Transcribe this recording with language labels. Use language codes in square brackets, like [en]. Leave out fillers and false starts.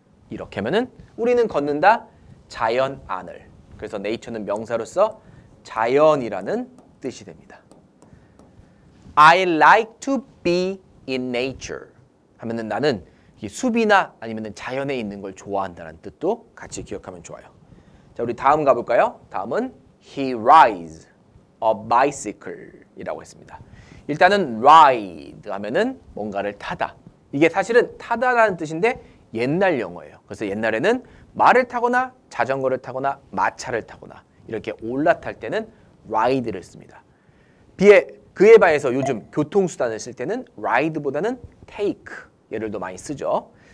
[ko] 이렇게 하면은 우리는 걷는다, 자연 안을. 그래서 nature는 명사로서 자연이라는 뜻이 됩니다. [en] I like to be in nature. [ko] 하면은 나는 숲이나 아니면 자연에 있는 걸 좋아한다는 뜻도 같이 기억하면 좋아요. 자, 우리 다음 가볼까요? [en] 다음은 He rides a bicycle [ko] 이라고 했습니다. 일단은 ride 하면은 뭔가를 타다. 이게 사실은 타다라는 뜻인데 옛날 영어예요. 그래서 옛날에는 말을 타거나 자전거를 타거나 마차를 타거나 이렇게 올라탈 때는 ride를 씁니다. 그에 반해서 요즘 교통수단을 쓸 때는 ride보다는 take 얘를 더 많이 쓰죠.